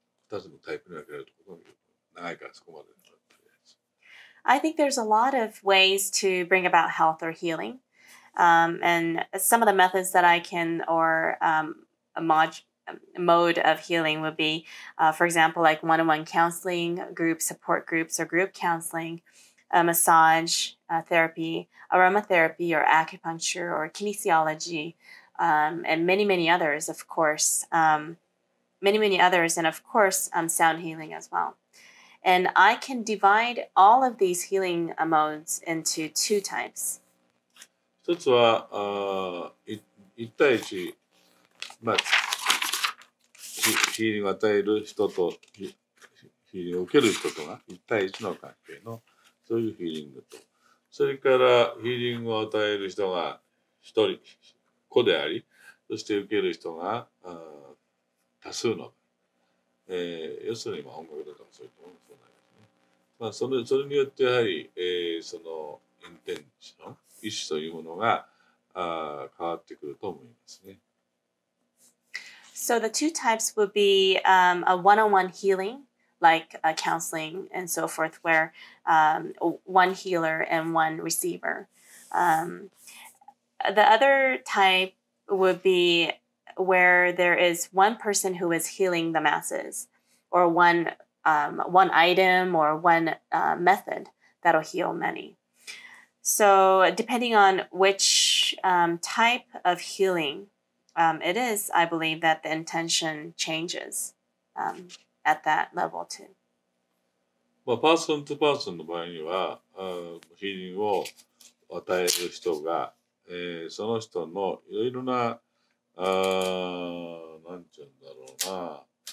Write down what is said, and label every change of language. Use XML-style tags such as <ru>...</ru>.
<ja>二つのタイプに分けられることができると思います。長いからそこまでになったりです。</ja> <en>I think there's a lot of ways to bring about health or healing. And some of the methods that I can or mode of healing would be, for example, like one-on-one counseling, group support groups or group counseling, a massage therapy, aromatherapy or acupuncture or kinesiology, and many, many others, of course, sound healing as well. And I can divide all of these healing modes into two types.</en> <ja>一つは、一対一、ヒーリングを与える人とヒーリングを受ける人とが一対一の関係のそういうヒーリングと、それからヒーリングを与える人が一人個であり、そして受ける人が多数の、要するに音楽だとかそういうものもそうなんですね。それによってやはり、そのインテンション意思というものが変わってくると思いますね。</ja> <en>So the two types would be a one-on-one healing, like counseling and so forth, where one healer and one receiver. The other type would be where there is one person who is healing the masses, or one item or one method that'll heal many. So depending on which type of healing it is, I believe that the intention changes at that level too.</en> <ja>パーソンとパーソンの場合には、ヒーリングを与える人が、その人のいろいろな、なんて言うんだろ</ja>